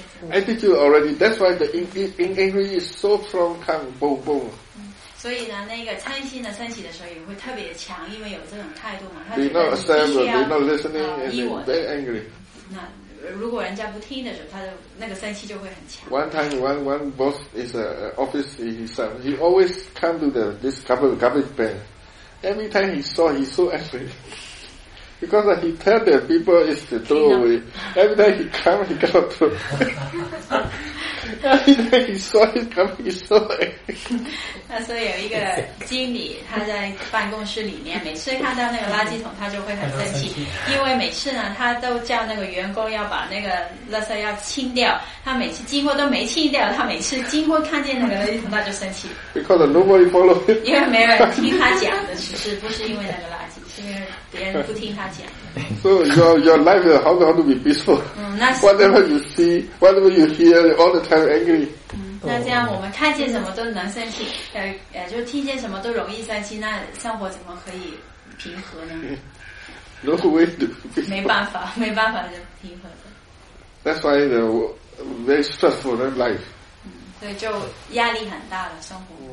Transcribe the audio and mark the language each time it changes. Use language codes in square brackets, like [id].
[en] attitude already, that's why the in angry is so strong, kind of boom boom. [zh] 所以呢那个参心的升起的时候也会特别强，因为有这种态度嘛，他 [en] they're not assembled, they're not listening, and they're angry. [zh] 如果人家不听的时候，他的那个生气就会很强。 [en] One time, one boss is a office himself. He always come to the this garbage bin. Every time he saw, he so angry because he tell the people is to throw away. Every time he come, he got to. Every time he saw his company, he saw it. [zh] 那所以有一个经理，他在办公室里面，每次看到那个垃圾桶，他就会很生气，因为每次呢，他都叫那个员工要把那个垃圾要清掉，他每次经过都没清掉，他每次经过看见那个垃圾桶，他就生气。 [en] Because nobody follow. [zh] 因为没有人听他讲的，其实不是因为那个垃圾，是因为别人不听他讲。 [en] So your life is how to be peaceful. Whatever you see, whatever you hear, all the time angry. [zh] 那这样我们看见什么都能生气，就听见什么都容易生气，那生活怎么可以平和呢？ [en] No way to. [zh] 没办法就平和的。 [en] That's why the very stressful life. [zh] 对，就压力很大的生活。